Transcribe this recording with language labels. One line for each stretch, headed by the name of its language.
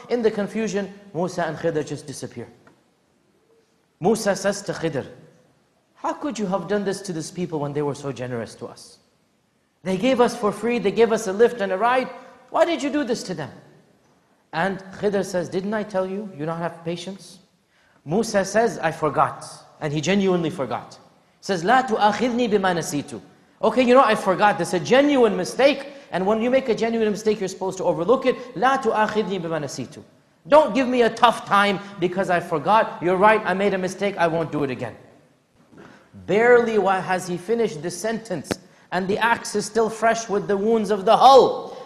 English: In the confusion, Musa and Khidr just disappear. Musa says to Khidr, how could you have done this to these people when they were so generous to us? They gave us for free, they gave us a lift and a ride, why did you do this to them? And Khidr says, didn't I tell you, you don't have patience? Musa says, I forgot. And he genuinely forgot. Says,
Arabic: لا تؤاخذني بما نسيت.
English: Okay, you know, I forgot. That's a genuine mistake. And when you make a genuine mistake, you're supposed to overlook it.
Arabic: لا تؤاخذني بما نسيت.
English: Don't give me a tough time because I forgot. You're right, I made a mistake. I won't do it again. Barely has he finished the sentence, and the axe is still fresh with the wounds of the hull.